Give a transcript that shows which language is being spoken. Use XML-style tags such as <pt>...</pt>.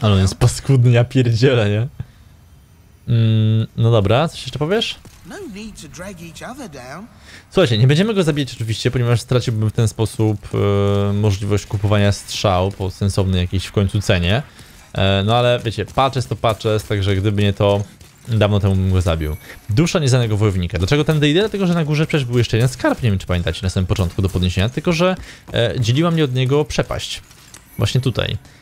<pl>Ale on jest paskudny, ja pierdzielę, nie? No dobra, coś jeszcze powiesz?</pl> <en>No need to drag each other down.</en> <pl>Słuchajcie, nie będziemy go zabijać oczywiście, ponieważ straciłbym w ten sposób możliwość kupowania strzał po sensownej jakiejś w końcu cenie. No ale wiecie, patches to patches, także gdyby nie to, dawno temu bym go zabił. Dusza nieznanego wojownika. Dlaczego tędy idę? Dlatego, że na górze przecież był jeszcze jeden skarb, nie wiem czy pamiętacie, na samym początku do podniesienia, tylko że dzieliła mnie od niego przepaść. Właśnie tutaj.</pl>